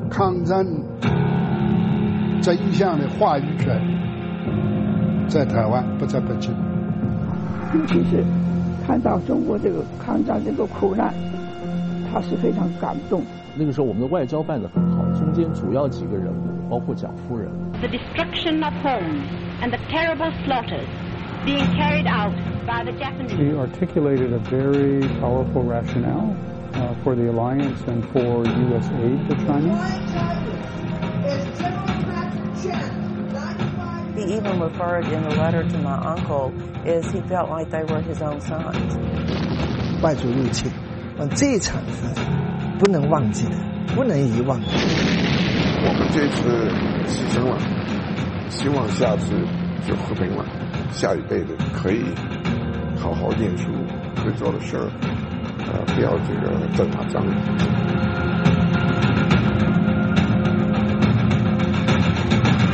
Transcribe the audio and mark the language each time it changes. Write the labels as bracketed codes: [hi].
[zh] 抗战这一项的话语权在台湾不在北京，尤其是看到中国这个抗战这个苦难，他是非常感动。那个时候我们的外交办得很好，中间主要几个人物包括蒋夫人。 [en] The destruction of homes and the terrible slaughters being carried outShe articulated a very powerful rationale for the alliance and for U.S. aid to China. He even referred in the letter to my uncle as he felt like they were his own sons. [zh] 外族入侵，这一场是不能忘记的，不能遗忘的。我们这次牺牲了，希望下次就和平了，下一辈子可以。好好念书，会做的事儿，不要这个再打仗了。